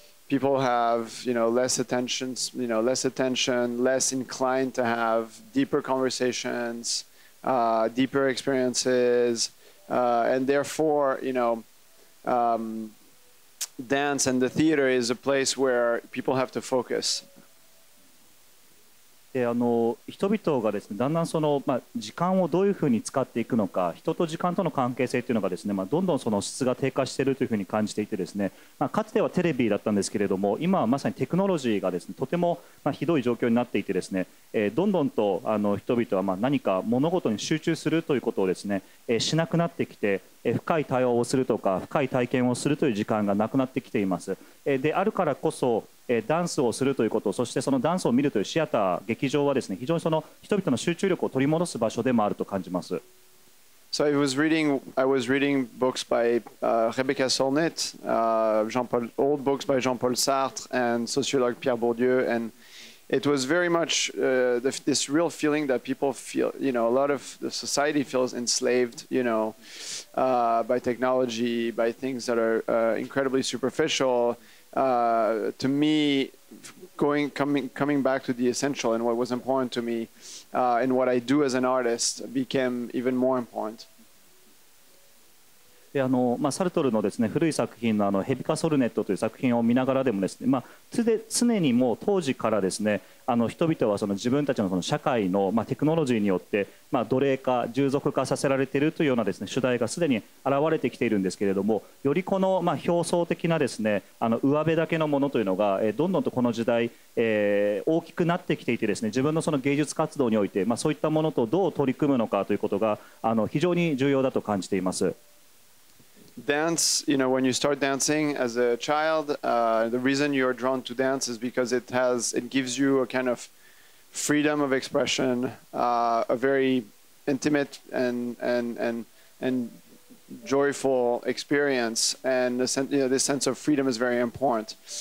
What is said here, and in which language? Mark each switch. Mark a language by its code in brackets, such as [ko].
[en] people have, you know, less attention, you know, less attention, less inclined to have deeper conversations, deeper experiences, and therefore, you know, dance and the theater is a place where people have to focus. [ja] であの人々がですね、だんだんその、まあ、時間をどういうふうに使っていくのか、人と時間との関係性というのがですね、まあ、どんどんその質が低下しているというふうに感じていてですね、まあ、かつてはテレビだったんですけれども、今はまさにテクノロジーがですね、とても、まあ、ひどい状況になっていてですね、どんどんとあの人々は、まあ、何か物事に集中するということをですね、しなくなってきて、深い対話をするとか深い体験をするという時間がなくなってきています。であるからこそダンスをするということ、そしてそのダンスを見るというシアター、劇場はですね、非常にその人々の集中力を取り戻す場所でもあると感じます。 [en] So I was reading, books by Rebecca Solnit, Jean-Paul, old books by Jean-Paul Sartre and sociologue Pierre Bourdieu, and it was very much this real feeling that people feel, you know, a lot of the society feels enslaved, you know, by technology, by things that are incredibly superficial. To me, coming back to the essential and what was important to me, and what I do as an artist became even more important. [ja] であの、まあ、サルトルのですね、古い作品の、 あのヘビカソルネットという作品を見ながらでもですね、まあ、常にもう当時からですね、あの人々はその自分たち の、 その社会の、まあ、テクノロジーによって、まあ、奴隷化、従属化させられているというようなですね、主題がすでに現れてきているんですけれども、よりこの、まあ、表層的なですね、あの上辺だけのものというのが、どんどんとこの時代、大きくなってきていてですね、自分 の、 その芸術活動において、まあ、そういったものとどう取り組むのかということがあの非常に重要だと感じています。 [en] Dance, you know, when you start dancing as a child, the reason you're drawn to dance is because it gives you a kind of freedom of expression, a very intimate and joyful experience, and the sense, you know, this sense of freedom is very important.